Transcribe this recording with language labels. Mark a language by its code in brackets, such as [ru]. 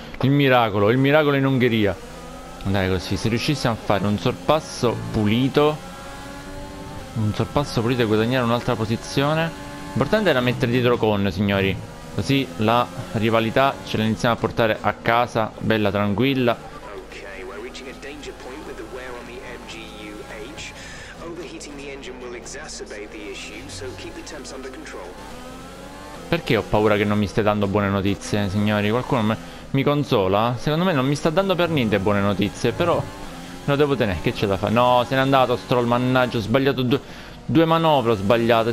[it] Il miracolo in Ungheria. Dai così, se riuscissimo a fare un sorpasso pulito... un sorpasso pulito e guadagnare un'altra posizione. L'importante era mettere dietro con, signori. Così la rivalità ce la iniziamo a portare a casa, bella tranquilla. [en] Ok, we're reaching a danger point with the wear on the MGUH. Overheating the engine will exacerbate the issue, so keep the temps under control. [it] Perché ho paura che non mi stia dando buone notizie, signori? Qualcuno mi consola? Secondo me non mi sta dando per niente buone notizie, però... lo devo tenere, che c'è da fare? No, se n'è andato Stroll, mannaggia, ho sbagliato due manovre, ho sbagliato.